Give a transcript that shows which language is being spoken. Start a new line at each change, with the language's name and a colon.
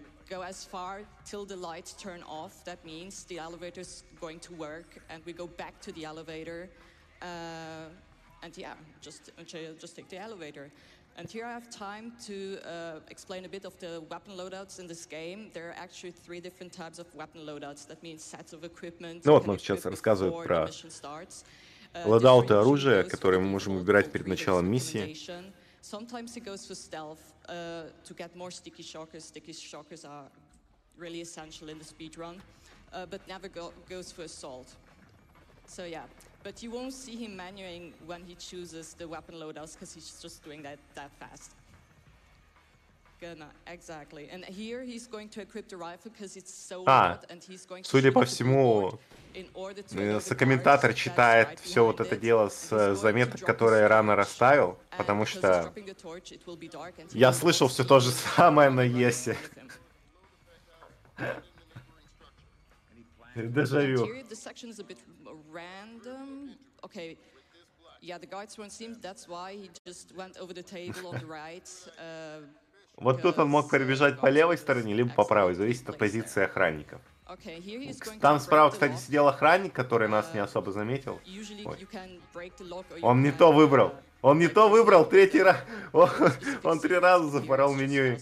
English: Go as far till the lights turn off. That means the elevator is going to work, and we go back to the elevator. And yeah, just take the elevator. And here I have time to explain a bit of the weapon loadouts in this game. There are actually three different types of weapon loadouts. That means sets of equipment.
Russian: Ну вот, нам сейчас рассказывают про лодауты оружия, которые мы можем выбирать перед началом миссии.
English: Sometimes it goes for stealth to get more sticky shockers. Sticky shockers are really essential in the speedrun, but never goes for assault. So yeah. But you won't see him manuing when he chooses the weapon loadouts because he's just doing that fast. Gonna, exactly. And here he's going to equip the rifle because it's so hot and he's going to shoot it with the board.
Russian: Сокомментатор читает все вот это дело с заметок, которые рано расставил, потому что я слышал все то же самое на ЕСе. Дежавю.
English: Random. Okay. Yeah, the guards won't see him. That's why he just went over the table on the right.
Russian: Вот тут он мог пробежать по левой стороне либо по правой, зависит от позиции охранника.
English: Okay, here he's going.
Russian: Там справа, кстати, сидел охранник, который нас не особо заметил.
English: Usually you can break the lock.
Russian: Он не то выбрал. Он не то выбрал третий раз. Он три раза запорол меню.